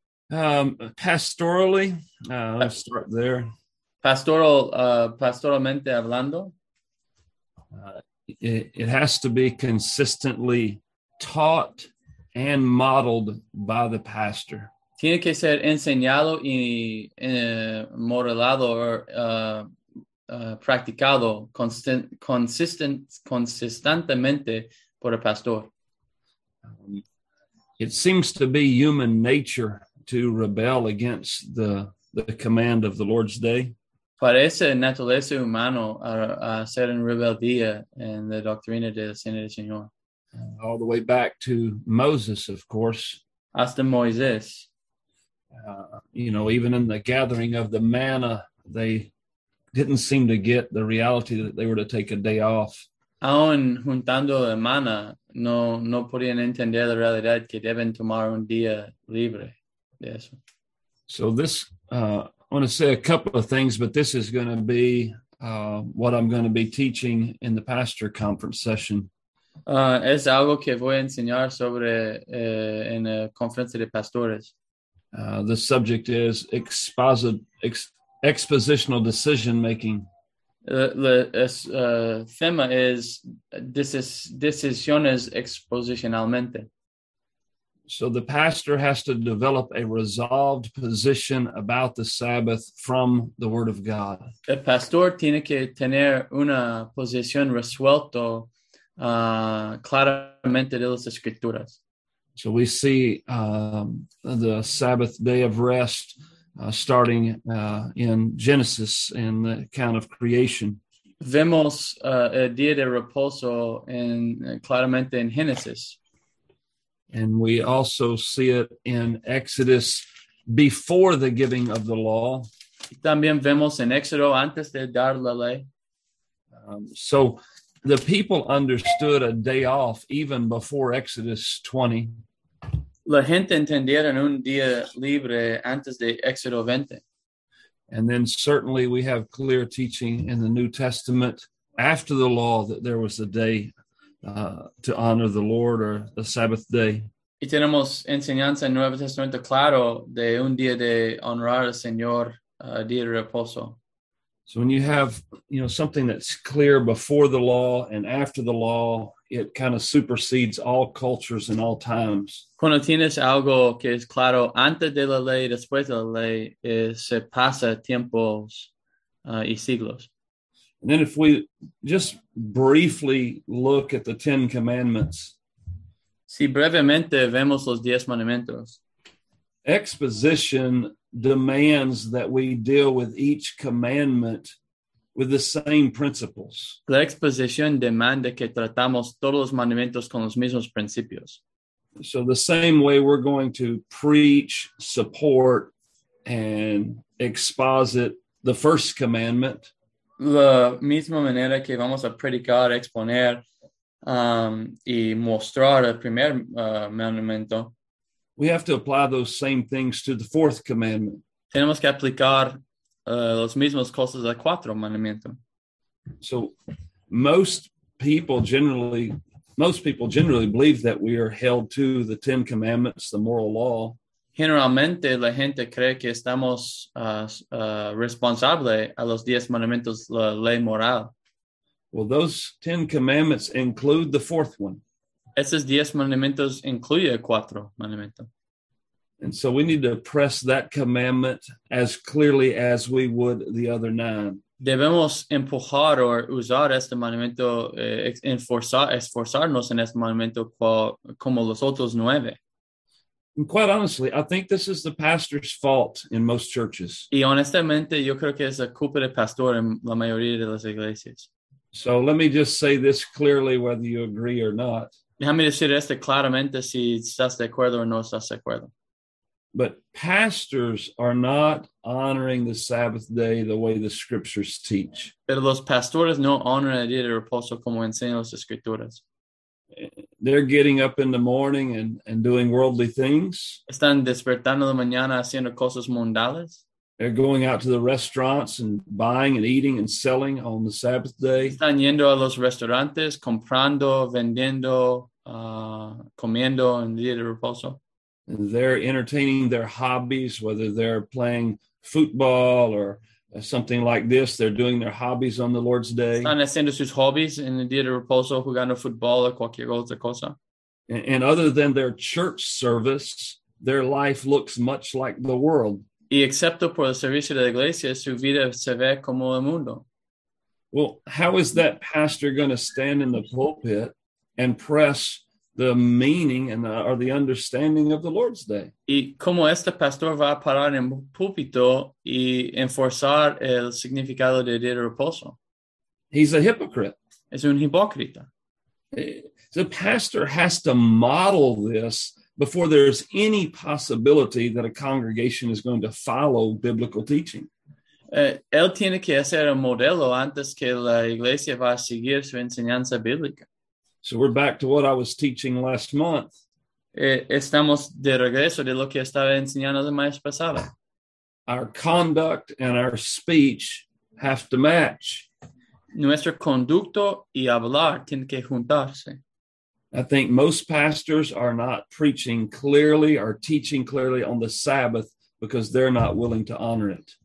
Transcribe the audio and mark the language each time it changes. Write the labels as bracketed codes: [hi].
[en] Pastorally, let's start there. [es] Pastoralmente hablando. [en] It has to be consistently taught and modeled by the pastor. [es] Tiene que ser enseñado y modelado practicado consistentemente por el pastor. [en] It seems to be human nature to rebel against the command of the Lord's day. [es] Parece naturaleza humano a ser en rebeldía en la doctrina del Señor. [en] All the way back to Moses, of course. [es] Hasta Moisés. [en] Even in the gathering of the manna, they didn't seem to get the reality that they were to take a day off. [es] Aún juntando la mano, no podían entender la realidad que deben tomar un día libre de eso. [en] So I want to say a couple of things, but this is going to be what I'm going to be teaching in the pastor conference session. [es] Es algo que voy a enseñar sobre en la conferencia de pastores. [en] The subject is expositional decision making. [es] El tema es decisiones expositionalmente. [en] So the pastor has to develop a resolved position about the Sabbath from the Word of God. [es] El pastor tiene que tener una posición resuelto claramente de las escrituras. [en] So we see the Sabbath day of rest starting in Genesis in the account of creation. [es] Vemos el día de reposo en claramente en Génesis. [en] And we also see it in Exodus before the giving of the law. [es] También vemos en Éxodo antes de dar la ley. [en] So the people understood a day off even before Exodus 20. [es] La gente entendieron un día libre antes de Éxodo 20. [en] And then certainly we have clear teaching in the New Testament after the law that there was a day to honor the Lord or the Sabbath day. [es] Y tenemos enseñanza en Nuevo Testamento claro de un día de honrar al Señor, día de reposo. [en] So when you have, something that's clear before the law and after the law, it kind of supersedes all cultures and all times. [es] Cuando tienes algo que es claro antes de la ley y después de la ley, se pasa tiempos y siglos. [en] And then if we just briefly look at the Ten Commandments, [es] Si brevemente vemos los 10 mandamientos. [en] exposition demands that we deal with each commandment with the same principles. [es] La exposición demanda que tratamos todos los mandamientos con los mismos principios. [en] So the same way we're going to preach, support, and exposit the first commandment. [es] La misma manera que vamos a predicar, exponer. Y mostrar el primer mandamiento. [en] We have to apply those same things to the fourth commandment. [es] Tenemos que aplicar los mismos cosas al cuarto mandamiento. [en] So most people generally believe that we are held to the Ten Commandments, the moral law. [es] Generalmente la gente cree que estamos responsable a los 10 mandamientos, la ley moral. [en] Well, those Ten Commandments include the fourth one. [es] Esos 10 mandamientos incluye el cuarto mandamiento. [en] And so we need to press that commandment as clearly as we would the other nine. [es] Debemos empujar o usar este mandamiento, esforzarnos en este mandamiento como los otros 9. [en] And quite honestly, I think this is the pastor's fault in most churches. [es] Y honestamente, yo creo que es la culpa del pastor en la mayoría de las iglesias. [en] So let me just say this clearly, whether you agree or not. [es] Déjame decir esto claramente si estás de acuerdo o no estás de acuerdo. [en] But pastors are not honoring the Sabbath day the way the scriptures teach. [es] Pero los pastores no honran el día de reposo como enseñan las escrituras. [en] They're getting up in the morning and doing worldly things. [es] Están despertando de mañana haciendo cosas mundanas. [en] They're going out to the restaurants and buying and eating and selling on the Sabbath day. [es] Están yendo a los restaurantes, comprando, vendiendo, comiendo en el día de reposo. [en] And they're entertaining their hobbies, whether they're playing football or something like this. They're doing their hobbies on the Lord's Day. [es] Están haciendo sus hobbies en el día de reposo, jugando fútbol o cualquier otra cosa. [en] And other than their church service, their life looks much like the world. [es] Y excepto por el servicio de la iglesia, su vida se ve como el mundo. [en] Well, how is that pastor going to stand in the pulpit and press the meaning and or the understanding of the Lord's Day? [es] Y cómo este pastor va a parar en púlpito y enforzar el significado del día de reposo? [en] He's a hypocrite. [es] Es un hipócrita. [en] The pastor has to model this before there's any possibility that a congregation is going to follow biblical teaching. [es] Él tiene que hacer un modelo antes que la iglesia va a seguir su enseñanza bíblica. [en] So we're back to what I was teaching last month. [es] Estamos de regreso de lo que estaba enseñando el mes pasado. [en] Our conduct and our speech have to match. [es] Nuestro conducto y hablar tienen que juntarse. [en] I think most pastors are not preaching clearly or teaching clearly on the Sabbath because they're not willing to honor it.